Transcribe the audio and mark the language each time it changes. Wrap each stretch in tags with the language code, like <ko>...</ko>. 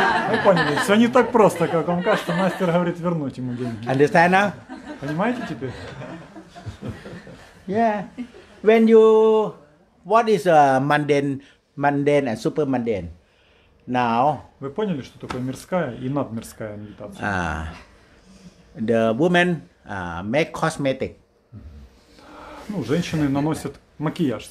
<ru>Вы поняли, все не так просто, как вам кажется. Мастер говорит вернуть ему деньги.</ru> <en>Understand now?</en> <ru>Понимаете теперь?</ru> <en>Yeah. When you, what is a mundane and super mundane? Now.</en> <ru>Вы поняли, что такое мирская и надмирская медитация?</ru> <en>The woman make cosmetic.</en> <ru>Ну, женщины наносят макияж.</ru>